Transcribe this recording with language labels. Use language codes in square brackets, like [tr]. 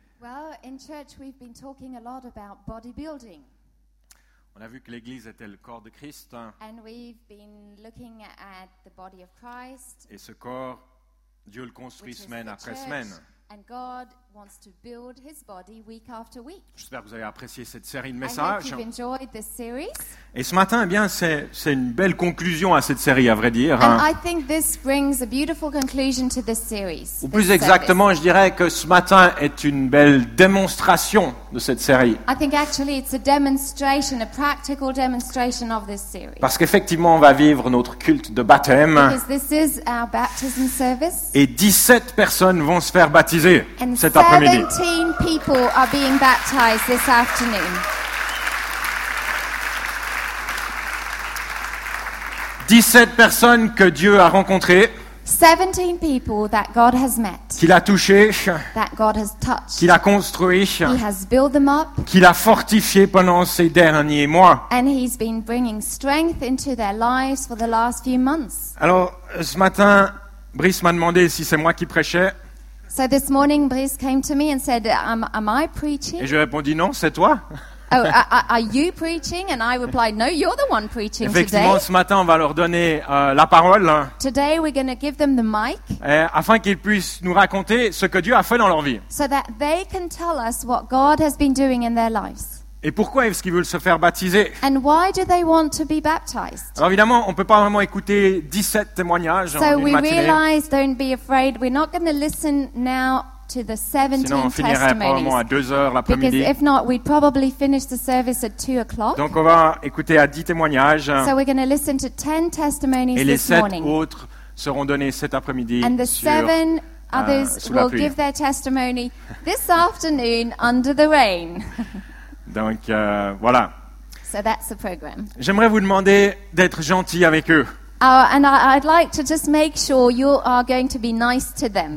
[en] Well, in church, we've been talking a lot about bodybuilding. [fr] On a vu que l'Église était le corps de Christ. [en] And we've been looking at the body of Christ. [fr] Et ce corps, Dieu le construit semaine après semaine. [en] And God wants to build his body week after week. [fr] J'espère que vous avez apprécié cette série de messages. [en] I hope you've enjoyed this series. [fr] Et ce matin, eh bien, c'est une belle conclusion à cette série, à vrai dire. [en] And I think this brings a beautiful conclusion to this series. [fr] Ou plus exactement, je dirais que ce matin est une belle démonstration de cette série. [en] I think actually it's a demonstration, a practical demonstration of this series. [fr] Parce qu'effectivement, on va vivre notre culte de baptême. [en] Because this is our baptism service. [fr] Et 17 personnes vont se faire baptiser. [en] And 17 people are being baptized this afternoon. [fr] 17 personnes que Dieu a rencontrées. [en] 17 people that God has met. [fr] Qu'il a touché. [en] That God has touched. [fr] Qu'il a construit. [en] He has built them up. [fr] Qu'il a fortifié pendant ces derniers mois. [en] And he's been bringing strength into their lives for the last few months. [fr] Alors, ce matin, Brice m'a demandé si c'est moi qui prêchais. [en] So this morning, Brice came to me and said, am I preaching? [fr] Et je répondis, non, c'est toi. [en] Oh, are you preaching? And I replied, no, you're the one preaching today. [fr] Effectivement, ce matin, on va leur donner la parole. [en] Today, we're going to give them the mic. [fr] Afin qu'ils puissent nous raconter ce que Dieu a fait dans leur vie. [en] So that they can tell us what God has been doing in their lives. [fr] Et pourquoi est-ce qu'ils veulent se faire baptiser? [en] And why do they want to be baptized? [fr] Alors évidemment, on ne peut pas vraiment écouter 17 témoignages en une [en] we [fr] matinée. [en] Realize, don't be afraid, we're not going to listen now to the 17 testimonies. [fr] Sinon, on finirait probablement à 2h l'après-midi. [en] Because if not, we'd probably finish the service at 2 o'clock. [fr] Donc on va écouter à 10 témoignages. [en] So we're going to listen to 10 testimonies [fr] et [en] this morning. [fr] Et les 7 autres seront donnés cet après-midi. [en] And the 7 others will give their testimony this afternoon under the rain. [fr] Donc, voilà. [en] So that's the program. [fr] J'aimerais vous demander d'être gentil avec eux. [en] And I'd like to just make sure you are going to be nice to them.